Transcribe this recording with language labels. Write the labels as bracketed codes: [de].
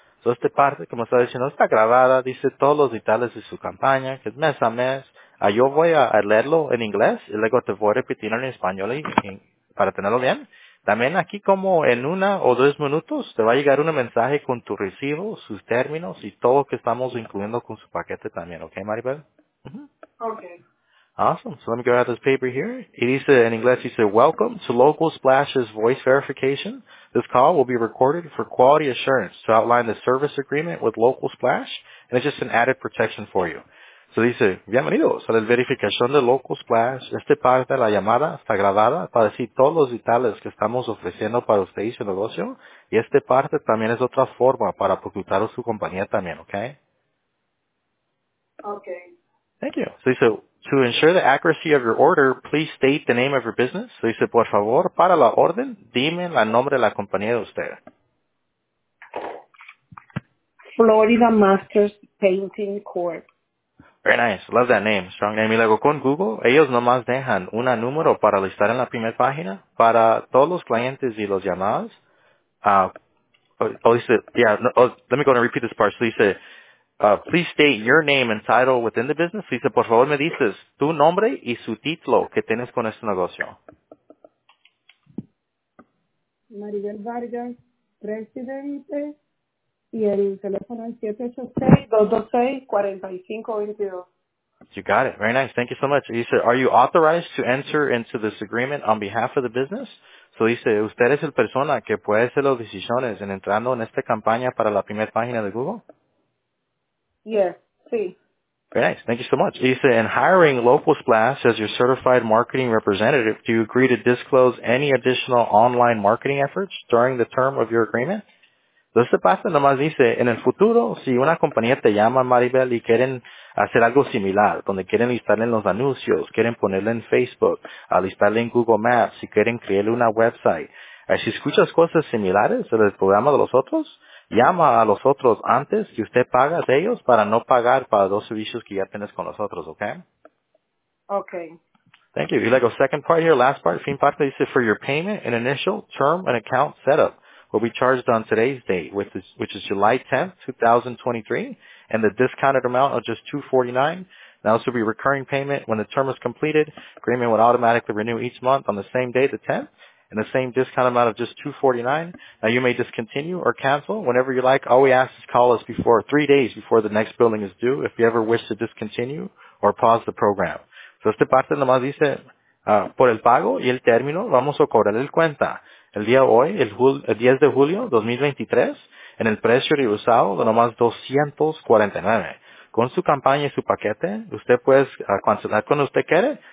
[es] So, esta parte, como estaba diciendo, está grabada, dice todos los detalles de su campaña, que es mes a mes. Yo voy a leerlo en inglés y luego te voy a repetir en español y para tenerlo bien. También aquí como en una o dos minutos te va a llegar un mensaje con tu recibo, sus términos y todo lo que estamos incluyendo con su paquete también. ¿Ok, Maribel? [en] Okay. Awesome. So let me get out this paper here. It dice, in English, he said, welcome to Local Splash's voice verification. This call will be recorded for quality assurance to outline the service agreement with Local Splash, and it's just an added protection for you. [es] So dice, bienvenidos a la verificación de Local Splash. Esta parte de la llamada está grabada para decir todos los detalles que estamos ofreciendo para usted y su negocio. Y esta parte también es otra forma para reclutar a su compañía también, ¿ok? Ok. [en] Thank you. So dice, to ensure the accuracy of your order, please state the name of your business. [es] So dice, por favor, para la orden, dime el nombre de la compañía de usted. [en] Florida Masters Painting Corp. Very nice. Love that name. Strong name. [es] Y luego con Google, ellos nomás dejan un número para listar en la primera página para todos los clientes y los llamados. [en] Let me go and repeat this part. So he said, please state your name and title within the business. So he said, [es] por favor me dices tu nombre y su título que tienes con este negocio. Maribel Vargas, presidente. Y el teléfono es 786-226-4522. [en] You got it. Very nice. Thank you so much. He said, are you authorized to enter into this agreement on behalf of the business? So he said, [es] ¿usted es el persona que puede hacer las decisiones en entrando en esta campaña para la primera página de Google? [en] Yes. Sí. Very nice. Thank you so much. He said, in hiring Local Splash as your certified marketing representative, do you agree to disclose any additional online marketing efforts during the term of your agreement? [es] Entonces, este paso nomás dice, en el futuro, si una compañía te llama, Maribel, y quieren hacer algo similar, donde quieren listarle en los anuncios, quieren ponerle en Facebook, a listarle en Google Maps, si quieren crearle una website, si escuchas cosas similares en el programa de los otros, llama a los otros antes que usted paga de ellos para no pagar para dos servicios que ya tienes con nosotros, ¿ok? Ok. [en] Thank you. [es] Y luego, [en] second part here, last part, [es] fin parte, dice, [en] for your payment, an initial term and account setup will be charged on today's date, which is July 10th, 2023, and the discounted amount of just $249. Now, this will be recurring payment when the term is completed. Agreement would automatically renew each month on the same day, the 10th, and the same discount amount of just $249. Now, you may discontinue or cancel whenever you like. All we ask is call us before 3 days before the next billing is due if you ever wish to discontinue or pause the program. [es] So, esta parte nomás dice, por el pago y el término, vamos a cobrar el cuenta. El día hoy, el 10 de julio 2023, en el precio rehusado de nomás $249. con su campaña y su paquete, usted puede cancelar cuando usted quiere.